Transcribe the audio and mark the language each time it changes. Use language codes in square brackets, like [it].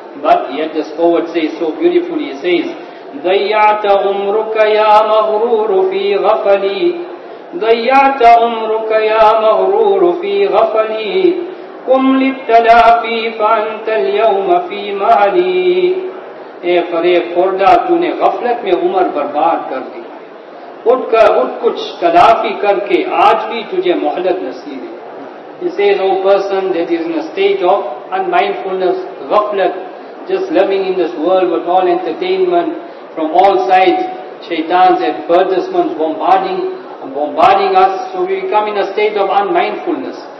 [en] But yet this poet says so beautifully, he says, [ar] ضَيَّعْتَ عُمْرُكَ يَا مَغْرُورُ فِي غَفَلِي ضيعت عمرك يا مغرور في غفلي قم للتلافي فأنت اليوم في مالي. [ur] اے فریق خوردہ, تُو نے غفلت میں عمر برباد کر دی, اٹھ کچھ تلافی کر کے آج بھی تجھے مہلت نصیب ہے. [en] He says, oh person that is in a state of unmindfulness, ghaflat, just living in this world with all entertainment from all sides, shaitans and advertisements bombarding us, so we become in a state of unmindfulness.